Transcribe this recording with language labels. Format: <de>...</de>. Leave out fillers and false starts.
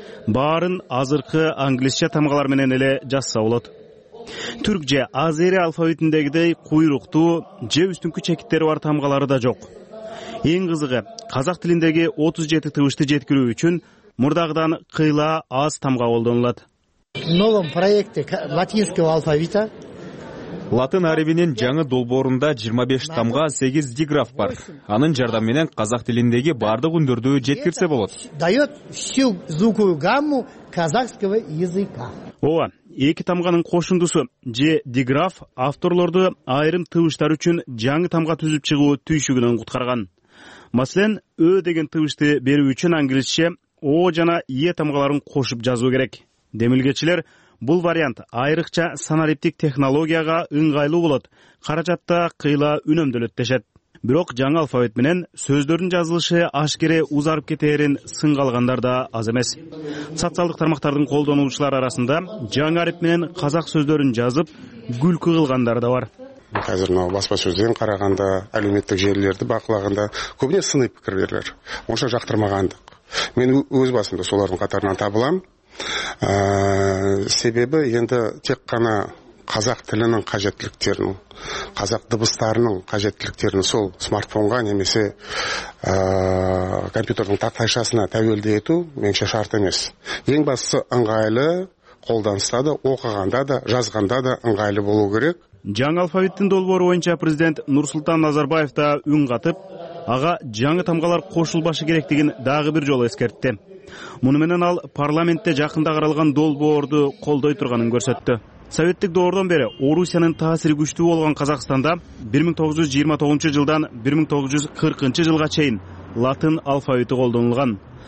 <ky>Баарын азыркы англисче тамгалар менен эле жазса болот. Түркче, азери алфавитиндегидей куйруктуу же үстүңкү чекиттери бар тамгалары да жок. Эң кызыгы, казак тилиндеги 37 тыбышты жеткирүү үчүн мурдагыдан кыйла аз тамга колдонулат.</ky> <ru>Новом проекте латинского алфавита.</ru> <ky>Латын арабинин жаңы долбоорунда 25 тамга 8 диграф бар. Анын жардам менен казак тилиндеги бардык үндөрдү жеткирсе болот.</ky> <ru>Дает всю звуковую гамму казахского языка.</ru> <ky>Ооба, эки тамганын кошундусу же диграф авторлорду айрым тыбыштар үчүн жаңы тамга түзүп чыгуу түйшүгүнөн куткарган. Маселен, ө деген тыбышты берүү үчүн англисче о жана е тамгаларын кошуп жазуу керек. Демилгечилер Бул вариант айрыкча санариптик технологияга ыңгайлуу болот. Каражатта кыйла үнөмдөлөт дешет. Бирок жаңы алфавит менен сөздөрдүн жазылышы ашкере узарып кетэрин сынга алгандар да аз эмес. Социалдык тармактардын колдонуучулары арасында жаңы алфавит менен казак сөздөрүн жазып күлкү кылгандар да бар.</ky> <kk>Азыр мына баспа сөздөн караганда, әлеуметтік желілерді бақылағанда көбіне сыни пікір берілер. Онша жақтырмағандық. Мен өз басымда солардың қатарынан табылам. Себебі енді тек қана қазақ тілінің қажеттіліктерін, қазақ дыбыстарының қажеттіліктерін сол смартфонға немесе компьютердің тақтайшасына тәуелді ету меніңше шарт емес. Ең бастысы ыңғайлы қолданыста да, оқығанда да, жазғанда да ыңғайлы болу керек.</kk> <ky>Жаңы алфавиттин долбоору боюнча президент Нурсултан Назарбаев да үн катып, ага жаңы тамгалар кошулбашы керектигин дагы бир жолу эскертти. Муну менен ал парламентте жакында каралган долбоорду колдой турганын көрсөттү. Советтик доордон бери Орусиянын таасири күчтүү болгон Казакстанда 1929 жылдан 1940 жылга чейин латын алфавити колдонулган.</ky>